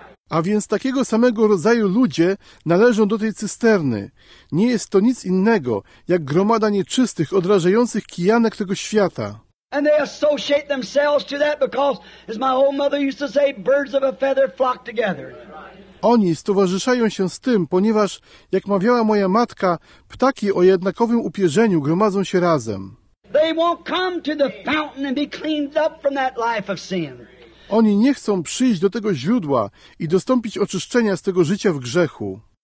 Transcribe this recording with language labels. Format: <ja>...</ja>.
<pl>A więc takiego samego rodzaju ludzie należą do tej cysterny. Nie jest to nic innego, jak gromada nieczystych, odrażających kijanek tego świata.</pl> <en>And they associate themselves to that because, as my old mother used to say, birds of a feather flock together.</en> <pl>Oni stowarzyszają się z tym, ponieważ, jak mawiała moja matka, ptaki o jednakowym upierzeniu gromadzą się razem.</pl> <en>They won't come to the fountain and be cleaned up from that life of sin.</en> <pl>Oni nie chcą przyjść do tego źródła i dostąpić oczyszczenia z tego życia w grzechu.</pl>